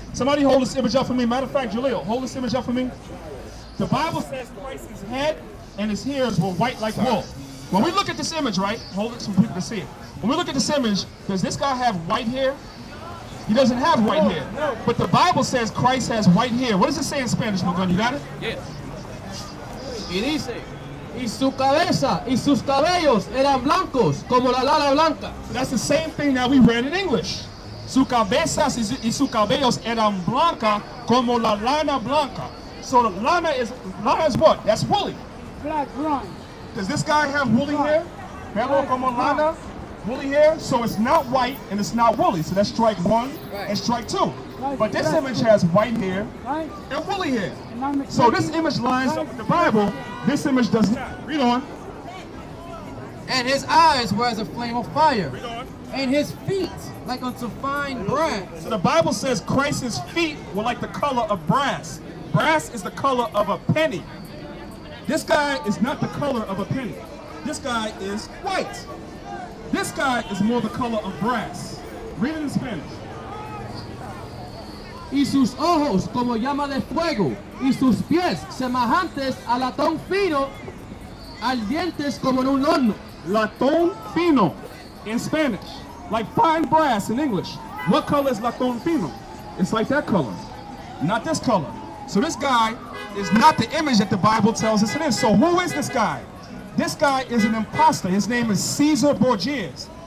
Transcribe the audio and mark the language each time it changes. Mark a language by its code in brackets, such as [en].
[en] Somebody hold this image up for me. Matter of fact, Jaleel, hold this image up for me. The Bible says Christ's head and his hairs were white like wool. When we look at this image, right? Hold it so people can see it. When we look at this image, does this guy have white hair? He doesn't have white hair. But the Bible says Christ has white hair. What does it say in Spanish, Magun? You got it? Yes. It is. [es] Y su cabeza y sus cabellos eran blancos como la lana blanca. [en] That's the same thing that we read in English. [es] Su cabeza y sus cabellos eran blanca como la lana blanca. [en] So the lana is what? That's woolly. Black, brown. Does this guy have woolly hair? [es] Pelo como lana? [en] Woolly hair? So it's not white and it's not woolly. So that's strike one and strike two. But this image has white hair and woolly hair. So this image lines up with the Bible. This image does not. Read on. And his eyes were as a flame of fire. Read on. And his feet like unto fine brass. So the Bible says Christ's feet were like the color of brass. Brass is the color of a penny. This guy is not the color of a penny. This guy is white. This guy is more the color of brass. Read it in Spanish. [es] Y sus ojos como llama de fuego. Y sus pies semejantes a latón fino. Ardientes como en un horno. [en] Latón fino in Spanish. Like fine brass in English. What color is latón fino? It's like that color. Not this color. So this guy is not the image that the Bible tells us it is. So who is this guy? This guy is an imposter. His name is Caesar Borgias.